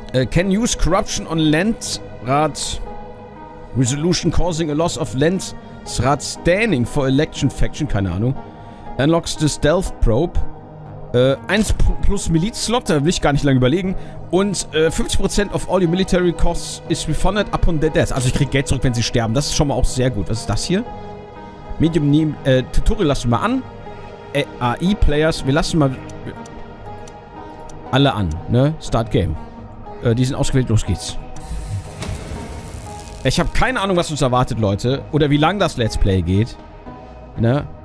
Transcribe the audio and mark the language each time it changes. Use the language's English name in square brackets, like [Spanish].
[English] Can use corruption on Landrat. Resolution causing a loss of Landrat standing for election faction, [German] keine Ahnung. [English] Unlocks the stealth probe. [German] 1 plus Miliz-Slot, da will ich gar nicht lange überlegen. [English] Und 50% of all your military costs is refunded upon their death. [German] Also ich krieg Geld zurück, wenn sie sterben. Das ist schon mal auch sehr gut. Was ist das hier? Medium Neem, Tutorial lassen wir mal an. AI-Players, wir lassen mal alle an, ne? Start Game. Die sind ausgewählt, los geht's. Ich habe keine Ahnung, was uns erwartet, Leute. Oder wie lang das Let's Play geht. Ne?